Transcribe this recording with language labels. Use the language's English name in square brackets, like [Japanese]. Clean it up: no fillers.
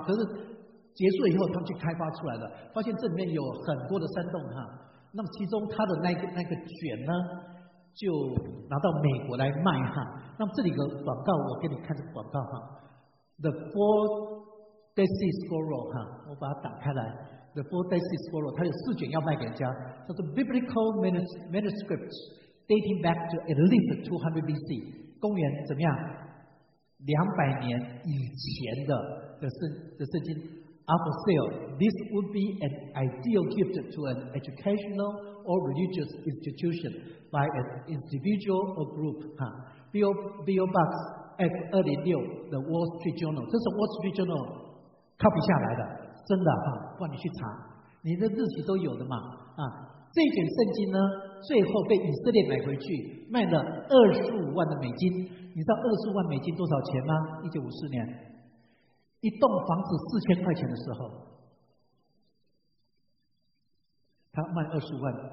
[Chinese] 可是结束以后，他们去开发出来了，发现这里面有很多的山洞哈。那么其中他的那个卷呢，就拿到美国来卖哈。那么这里有个广告，我给你看这个广告哈 ，The Four Dead Sea Scrolls 哈，我把它打开来。 [English] The Four Dead Sea Scrolls， [Chinese] 它有四卷要卖给人家，叫做 [English] Biblical Manuscripts dating back to at least 200 BC， [Chinese] 公元怎么样？ 200年以前的圣经 ， [English] Up for sale。 This would be an ideal gift to an educational or religious institution by an individual or group。哈 ，Bill Box F 206 The Wall Street Journal， [Chinese] 这是 [English] Wall Street Journal copy [Chinese] 下来的。真的哈，不然你去查，你的日期都有的嘛。啊，这卷圣经呢，最后被以色列买回去，卖了25万美金。你知道25万美金多少钱吗？1954年，一栋房子4000块钱的时候，他卖25万。